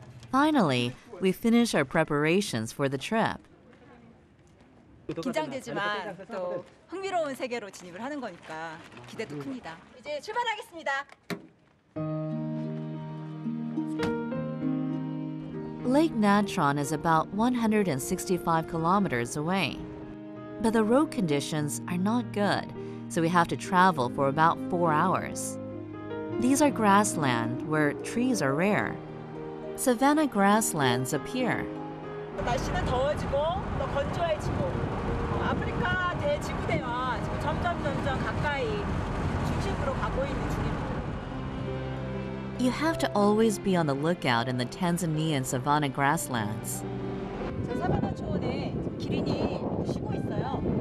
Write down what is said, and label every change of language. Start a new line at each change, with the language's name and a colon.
English: Finally, we finish our preparations for the trip.
Korean: 긴장되지만 또 흥미로운 세계로 진입을 하는 거니까 기대도 큽니다. 이제 출발하겠습니다.
English: Lake Natron is about 165 kilometers away, but the road conditions are not good, so we have to travel for about 4 hours. These are grassland where trees are rare. Savanna grasslands appear.
Korean: 날씨는 더워지고 또 건조해지고 아프리카 대지구대와 점점 가까이 중심으로 가고 있는 중입니다.
English: You have to always be on the lookout in the Tanzanian savanna grasslands.
Korean: 저 사바나 초원에 기린이 쉬고 있어요.